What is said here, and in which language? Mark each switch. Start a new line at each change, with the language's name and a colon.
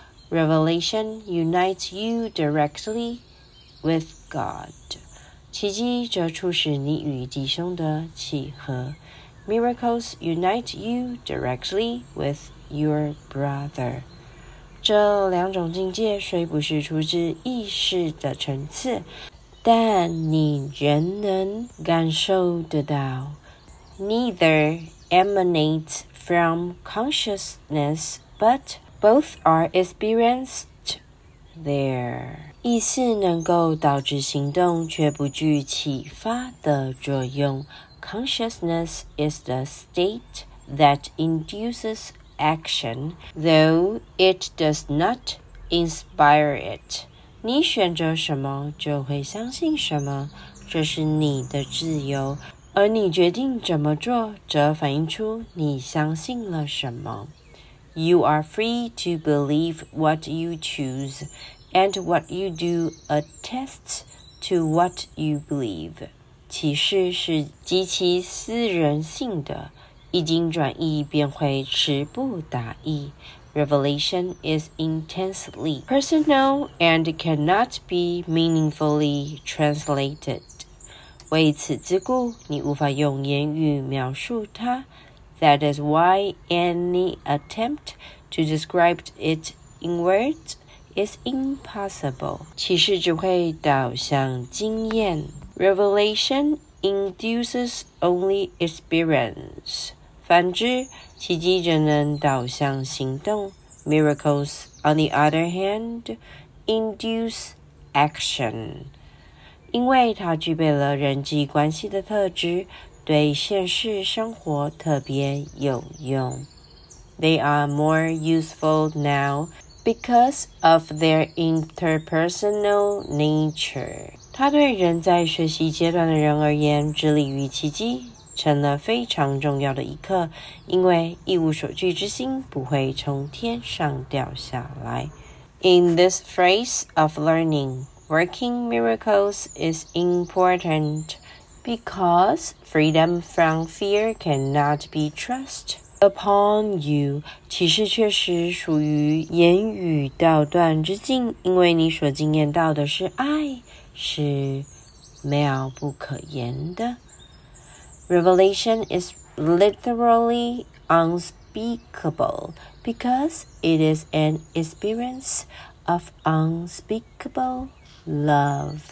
English: Revelation unites you directly. With God,
Chinese: 奇迹则促使你与弟兄的契合。
English: Miracles unite you directly with your brother.
Chinese: 这两种境界虽不是出自意识的层次，但你仍能感受得到。
English: Neither emanates from consciousness, but both are experienced there.
Chinese: 意识能够导致行动，却不具启发的作用。
English: Consciousness is the state that induces action, though it does not inspire it.
Chinese: 你选择什么，就会相信什么，这是你的自由。而你决定怎么做，则反映出你相信了什么。
English: You are free to believe what you choose. And what you do attests to what you believe.
Chinese: 启示是极其私人性的，一经转译便会持不达意。
English: Revelation is intensely personal and cannot be meaningfully translated.
Chinese: 为此之故，你无法用言语描述它。
English: That is why any attempt to describe it in words. Is impossible.
Chinese: 启示只会导向经验。
English: Revelation induces only experience.
Chinese: 反之，奇迹只能导向行动。
English: Miracles, on the other hand, induce action.
Chinese: 因为它具备了人际关系的特质，对现实生活特别有用。
English: They are more useful now. Because of their interpersonal nature.
Chinese: 它对人在学习阶段的人而言，致力于奇迹，成了非常重要的一课，因为一无所惧之心不会从天上掉下来。
English: In this phase of learning, working miracles is important because freedom from fear cannot be trusted. Upon you,
Chinese: 启示确实属于言语道断之境，因为你所经验到的是爱，是妙不可言的。
English: Revelation is literally unspeakable because it is an experience of unspeakable love.